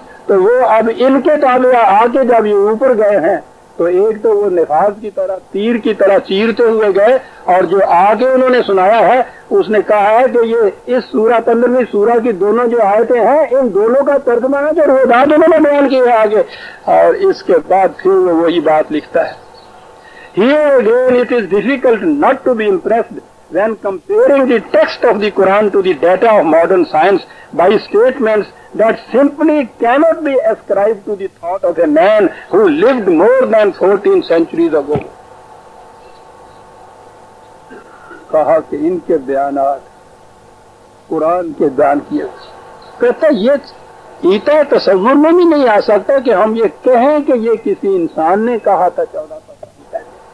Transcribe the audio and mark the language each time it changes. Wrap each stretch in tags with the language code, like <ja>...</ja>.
<ur>تو وہ اب ان کے تابع آ کے جب یہ اوپر گئے ہیں تو ایک تو وہ نفاذ کی طرح تیر کی طرح چیرتے ہوئے گئے, اور جو آگے انہوں نے سنایا ہے اس نے کہا ہے کہ یہ اس سورہ 15 سورہ کی دونوں جو آیتیں ہیں ان دونوں کا ترجمہ ہے جو روداد انہوں نے بیان کی ہے آگے, اور اس کے بعد پھر وہ وہی بات لکھتا ہے.</ur> <en>Here again it is difficult not to be impressed when comparing the text of the Quran to the data of modern science by statements that simply cannot be ascribed to the thought of a man who lived more than 14 centuries ago.</en> <ur>کہا کہ ان کے بیانات قرآن کے بیان کیے, کہتا یہ ایتا تصور میں بھی نہیں آ سکتا کہ ہم یہ کہیں کہ یہ کسی انسان نے کہا تھا 14 سال پہلے.</ur>